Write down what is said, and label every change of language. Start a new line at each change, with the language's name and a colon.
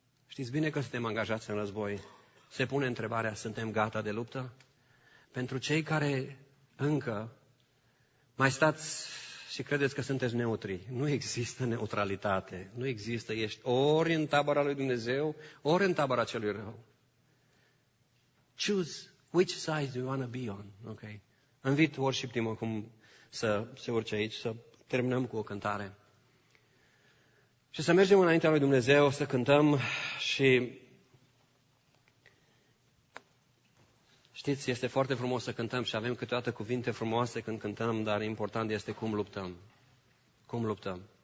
Romanian: Știți bine că suntem angajați în război. Se pune întrebarea, suntem gata de luptă? Pentru cei care încă mai stați și credeți că sunteți neutri, nu există neutralitate, nu există, ești ori în tabăra lui Dumnezeu, ori în tabăra celui rău.
English: Choose which side you want to be on, ok?
Romanian: Invit
English: worship team
Romanian: acum să se urce aici, să terminăm cu o cântare. Și să mergem înaintea lui Dumnezeu, să cântăm și... Știți, este foarte frumos să cântăm și avem câteodată cuvinte frumoase când cântăm, dar important este cum luptăm. Cum luptăm.